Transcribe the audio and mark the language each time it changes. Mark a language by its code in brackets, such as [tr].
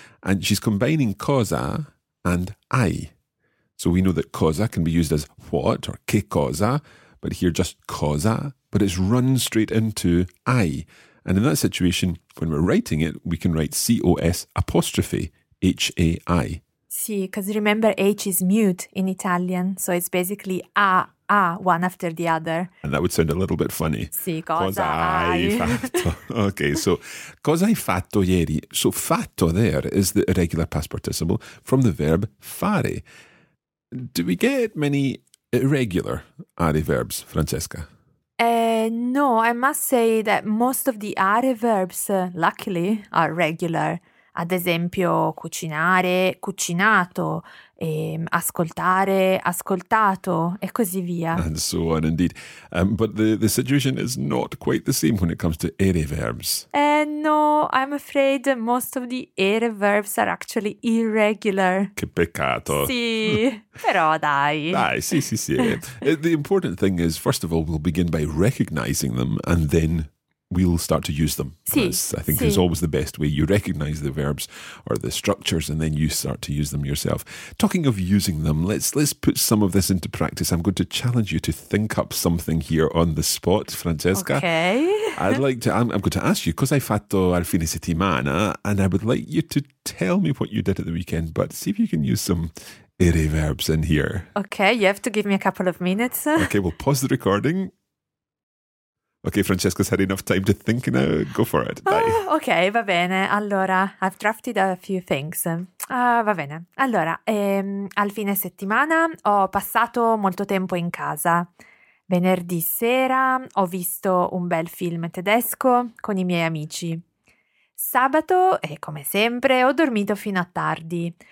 [en] And she's combining cosa and hai. So we know that cosa can be used as what or che cosa, but here just cosa, but it's run straight into hai. And in that situation, when we're writing it, we can write C-O-S apostrophe H-A-I. Sì, because remember H is mute in Italian, so it's basically a, a, one after the other. And that would sound a little bit funny. [it] Sì, cosa hai fatto. Okay, so cosa hai fatto ieri? [en] So fatto there is the irregular past participle from the verb fare. Do we get many irregular are verbs, Francesca? No, I must say that most of the are verbs, luckily, are regular. [it] ad esempio cucinare, cucinato, ascoltare, ascoltato, e così via. [en] And so on, indeed. But the situation is not quite the same when it comes to aere verbs. No, I'm afraid most of the aere verbs are actually irregular. [it] Che peccato. Sì, però dai. Dai, sì. [en] The important thing is, first of all, we'll begin by recognizing them and then we'll start to use them. [it] Sì, [en] I think [it] sì. [en] Is always the best way. You recognize the verbs or the structures and then you start to use them yourself. Talking of using them, let's put some of this into practice. I'm going to challenge you to think up something here on the spot, Francesca. Okay. I'm going to ask you, [it] cosa hai fatto al fine settimana? [en] And I would like you to tell me what you did at the weekend, but see if you can use some aere verbs in here. Okay, you have to give me a couple of minutes. Okay, we'll pause the recording. Okay, Francesca's had enough time to think now. Go for it. [it] Okay, va bene. [en] Allora, I've drafted a few things. [it] Va bene. Allora, al fine settimana ho passato molto tempo in casa. Venerdì sera ho visto un bel film tedesco con i miei amici. Sabato, e come sempre, ho dormito fino a tardi.